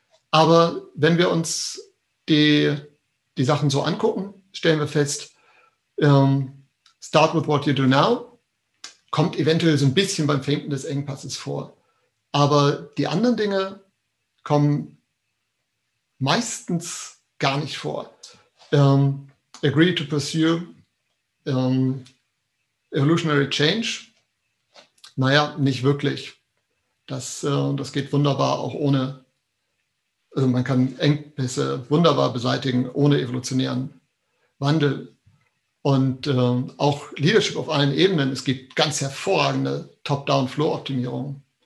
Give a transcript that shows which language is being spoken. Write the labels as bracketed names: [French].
[German] Aber wenn wir uns die Sachen so angucken, stellen wir fest, [English] start with what you do now, [German] kommt eventuell so ein bisschen beim Finden des Engpasses vor. Aber die anderen Dinge kommen meistens gar nicht vor. [English] Agree to pursue evolutionary change. [German] Naja, nicht wirklich. Das geht wunderbar auch ohne. Also man kann Engpässe wunderbar beseitigen ohne evolutionären Wandel. Und auch Leadership auf allen Ebenen. Es gibt ganz hervorragende Top-Down-Flow-Optimierung.